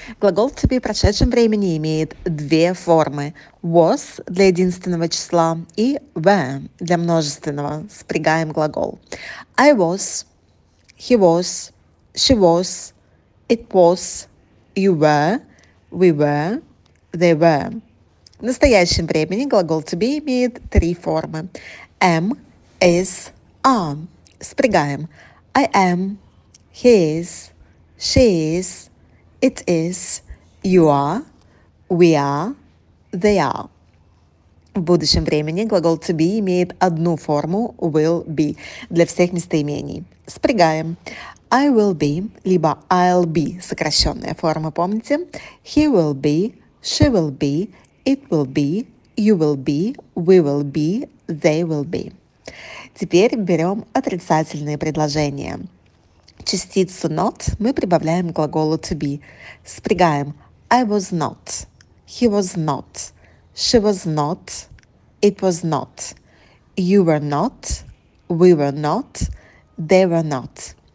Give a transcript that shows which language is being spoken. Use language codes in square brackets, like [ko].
[ru] Глагол to be в прошедшем времени имеет две формы. Was для единственного числа и were для множественного. Спрягаем глагол. [en] I was, he was, she was, it was, you were, we were, they were. [ru] В настоящем времени глагол to be имеет три формы. [en] Am, is, are. [ru] Спрягаем. [en] I am, he is, she is, it is, you are, we are, they are. [ru] В будущем времени глагол to be имеет одну форму will be для всех местоимений. Спрягаем. [en] I will be, [ru] либо [en] I'll be, [ru] сокращенная форма, помните? [en] He will be, she will be, it will be, you will be, they will be. [ru] Теперь берем отрицательные предложения. Частицу not мы прибавляем к глаголу to be. Спрягаем. [en] I was not. He was not. She was not. It was not. You were not. We were not. They were not.